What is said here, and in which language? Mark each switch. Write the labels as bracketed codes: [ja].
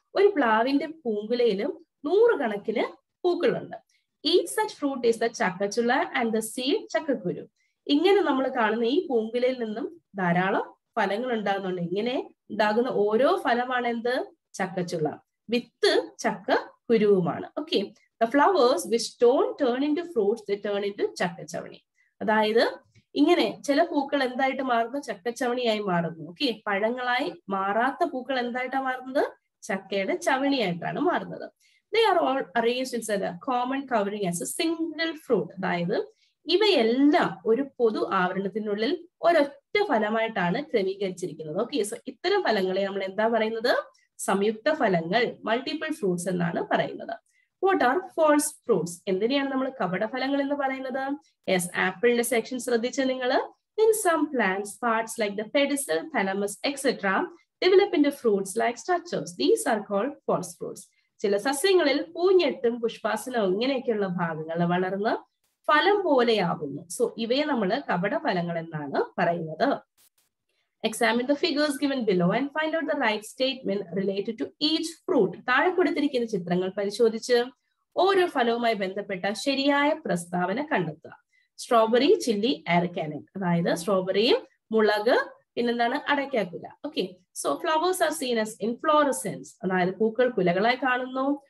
[ml] ഒരു പ്ലാവിന്റെ പൂങ്കുലയിലും നൂറുകണക്കിന് പൂക്കളുണ്ട്. [en] Each such fruit is the ചക്കച്ചുള്ള and the seed ചക്കക്കുരു. [ml] ഇങ്ങനെ നമ്മൾ കാണുന്ന ഈ പൂങ്കുലയിൽ നിന്നും ധാരാളം ഫലങ്ങൾ ഉണ്ടാകുന്നുണ്ട്. ഇങ്ങനെ ഉണ്ടാകുന്ന ഓരോ ഫലമാണ് എന്ത്? ചക്കച്ചുള്ള. വിത്ത് ചക്ക കുരുവുമാണ്. [en] Okay, the flowers which don't turn into fruits they turn into chakkachavani. [ml] അതായത് ഇങ്ങനെ ചില പൂക്കൾ എന്തായിട്ട് മാറുന്നു? ചക്കച്ചവണിയായി മാറുന്നു. ഓക്കെ, പഴങ്ങളായി മാറാത്ത പൂക്കൾ എന്തായിട്ടാണ് മാറുന്നത്? ചക്കയുടെ ചവണിയായിട്ടാണ് മാറുന്നത്. [en] They are all arranged as a common covering as a single fruit. [ml] അതായത് ഇവയെല്ലാം ഒരു പൊതു ആവരണത്തിനുള്ളിൽ ഒരൊറ്റ ഫലമായിട്ടാണ് ക്രമീകരിച്ചിരിക്കുന്നത്. ഓക്കെ, സോ ഇത്തരം ഫലങ്ങളെ നമ്മൾ എന്താ പറയുന്നത്? സംയുക്ത ഫലങ്ങൾ, [en] multiple fruits [ml] എന്നാണ് പറയുന്നത്. [en] What are false fruits? [ml] എന്തിനെയാണ് നമ്മൾ കപടഫലങ്ങൾ എന്ന് പറയുന്നത്? [en] yes, [ml] ആപ്പിളിന്റെ സെക്ഷൻ ശ്രദ്ധിച്ച് നിങ്ങൾ, [en] In some plants parts like the pedicel, thalamus, etcetera, develop in the fruits like structures. These are called false fruits. [ml] ചില സസ്യങ്ങളിൽ പൂഞ്ഞെട്ടും പുഷ്പാസനവും ഇങ്ങനെയൊക്കെയുള്ള ഭാഗങ്ങൾ വളർന്ന് ഫലം പോലെയാവുന്നു. സോ ഇവയെ നമ്മൾ കപടഫലങ്ങൾ എന്നാണ് പറയുന്നത്. [en] Examine the figures given below and find out the right statement related to each fruit. [ml] താഴെ കൊടുത്തിരിക്കുന്ന ചിത്രങ്ങൾ പരിശോധിച്ച് ഓരോ ഫലവുമായി ബന്ധപ്പെട്ട ശരിയായ പ്രസ്താവന കണ്ടെത്തുക. സ്ട്രോബെറി, ചില്ലി, അരക്കാനക്, അതായത് സ്ട്രോബെറിയും മുളക് പിന്നെന്താണ് അടയ്ക്കാക്കുക. [en] Okay, so flowers are seen as inflorescence. [ml] അതായത് പൂക്കൾ കുലകളായി കാണുന്നു.